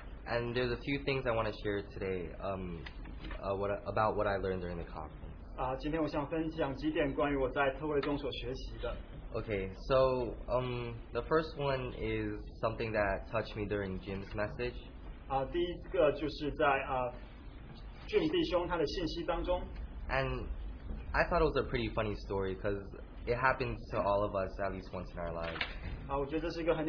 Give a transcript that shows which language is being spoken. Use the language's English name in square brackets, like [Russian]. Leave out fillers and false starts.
[English] And there's a few things I want to share today about what I learned during the conference. Okay, so the first one is something that touched me during Jim's message. [Chinese] 第一个就是在俊弟兄他的信息当中。 [English] And I thought it was a pretty funny story because it happens to all of us at least once in our lives.